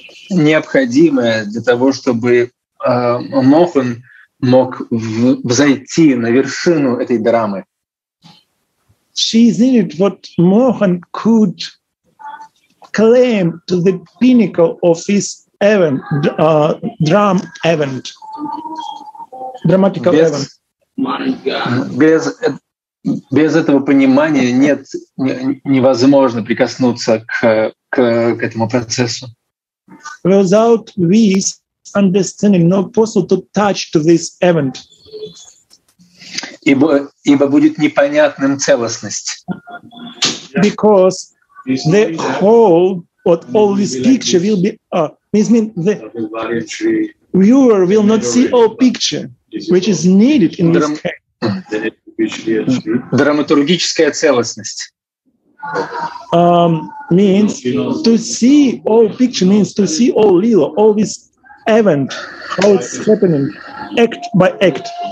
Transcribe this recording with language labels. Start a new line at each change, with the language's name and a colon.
Russian: Необходимое для того, чтобы Мохан мог взойти на вершину этой драмы.
English: She is needed what Mohan could claim to the pinnacle of his event, drama event, dramatical event.
Russian: Без этого понимания невозможно прикоснуться к этому процессу.
English: Without this understanding, not possible to touch to this event.
Russian: Ибо будет непонятным целостность.
English: Because the whole, what all this picture will be, this means the viewer will not see all picture. Which is needed in this case.
Russian: Драматургическая целостность.
English: Means to see all picture, means to see all lila, all this event, how it's happening, act by act.